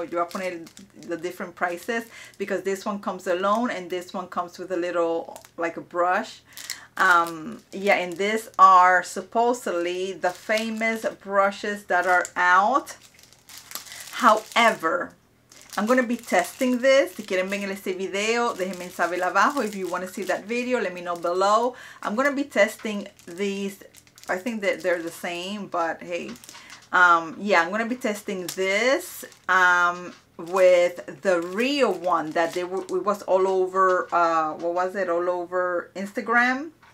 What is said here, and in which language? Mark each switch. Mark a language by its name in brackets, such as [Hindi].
[English] You are putting the different prices because this one comes alone and this one comes with a little like a brush. Yeah, and these are supposedly the famous brushes that are out. However, I'm gonna be testing this. [Spanish] Si quieren ver este video, déjenme saber abajo. [English] If you want to see that video, let me know below. I'm gonna be testing these. I think that they're the same, but hey, yeah, I'm going to be testing this with the real one that they were, it was all over, what was it, all over Instagram.